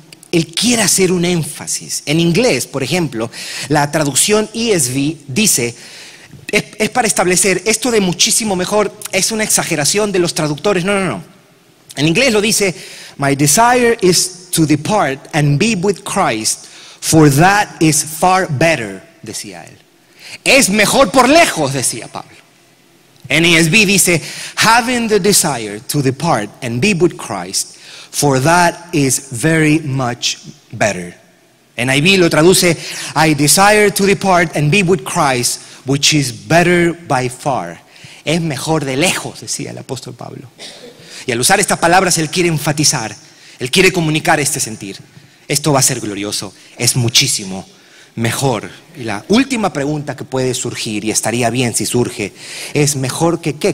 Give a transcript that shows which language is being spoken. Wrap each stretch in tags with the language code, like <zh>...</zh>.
<es>Él quiere hacer un énfasis. En inglés, por ejemplo, la traducción ESV dice, es para establecer esto de muchísimo mejor, es una exageración de los traductores.</es> <en>No, no, no.</en> <es>En inglés lo dice,</es> <en>my desire is to depart and be with Christ, for that is far better,</en> <es>decía él. Es mejor por lejos, decía Pablo. En ESV dice,</es> <en>having the desire to depart and be with Christ, for that is very much better.</en> <es>En NIV lo traduce,</es> <en>I desire to depart and be with Christ, which is better by far.</en> <es>Es mejor de lejos, decía el apóstol Pablo. Y al usar estas palabras, él quiere enfatizar, él quiere comunicar este sentir. Esto va a ser glorioso, es muchísimo mejor. Y la última pregunta que puede surgir, y estaría bien si surge, es ¿mejor que qué?</es>